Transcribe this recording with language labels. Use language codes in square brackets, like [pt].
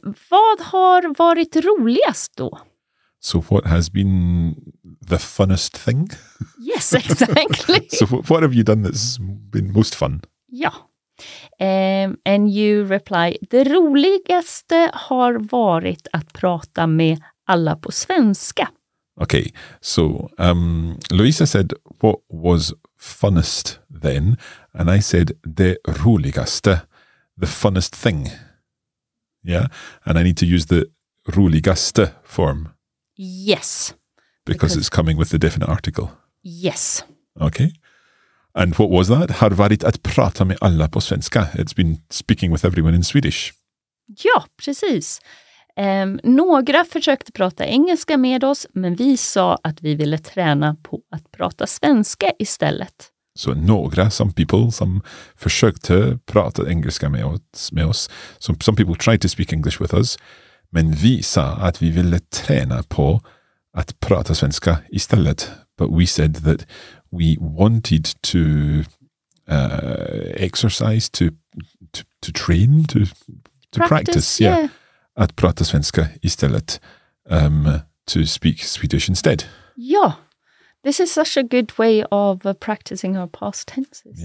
[sv] Vad har varit roligast då? [en] So what has been the funnest thing? Yes, exactly. So what have you done that's been most fun? [sv] Ja. [en] And you reply, [sv] det roligaste har varit att prata med alla på svenska. [en] Okay, so Louisa said, what was funnest then? And I said, [sv] det roligaste, [en] the funnest thing. Yeah, and I need to use the roligaste form. Yes. Because it's coming with the definite article. Yes. Okay. And what was that? [sv] Har varit att prata med alla på svenska. [en] It's been speaking with everyone in Swedish. [sv] Ja, precis. Några försökte prata engelska med oss, men vi sa att vi ville träna på att prata svenska istället. Så några, [en] some people, [sv] som försökte prata engelska med oss. [en] Some people tried to speak English with us, [sv] men vi sa att vi ville träna på att prata svenska istället. [en] But we said that we wanted to exercise, to train, to practice. Yeah. [sv] Att prata svenska istället, [en] to speak Swedish instead. Ja, this is such a good way of practicing our past tenses.